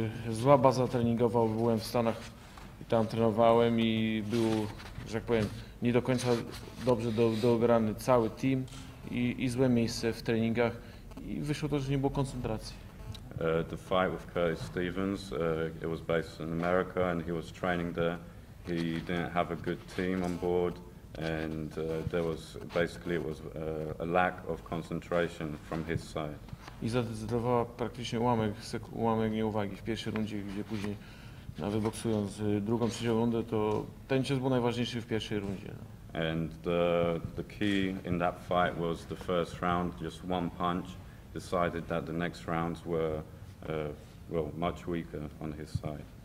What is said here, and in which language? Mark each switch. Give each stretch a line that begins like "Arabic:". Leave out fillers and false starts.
Polish: Zła baza treningowa, byłem w Stanach i tam trenowałem i był, że tak powiem, nie do końca dobrze dograny cały team i złe miejsce w treningach i wyszło to, że nie było koncentracji.
English: The fight with Curtis Stevens, it was based in America and he was training there. He didn't have a good team on board and there was basically it was a lack of concentration from his side.
Polish: I zadecydowała praktycznie ułamek nieuwagi w pierwszej rundzie, gdzie później nawet boksując drugą, trzecią rundę, to ten cios był najważniejszy w pierwszej rundzie.
English: And the key in that fight was the first round, just one punch. Decided that the next rounds were well much weaker on his side.